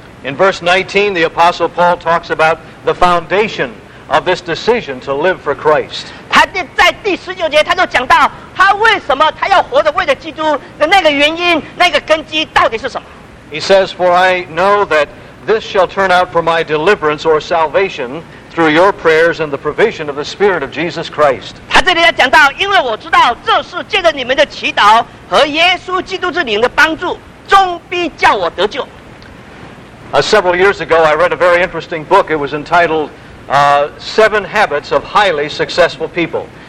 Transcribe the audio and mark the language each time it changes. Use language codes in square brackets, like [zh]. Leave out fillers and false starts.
[en] In verse 19, the Apostle Paul talks about the foundation of this decision to live for Christ. [zh] 他在第十九节，他就讲到他为什么他要活着为了基督的那个原因，那个根基到底是什么？ [en] He says, "For I know that this shall turn out for my deliverance or salvation through your prayers and the provision of the Spirit of Jesus Christ." [zh] 他这里要讲到，因为我知道这是借着你们的祈祷和耶稣基督之灵的帮助，终必叫我得救。 [en] Several years ago, I read a very interesting book. It was entitled Seven Habits of Highly Successful People.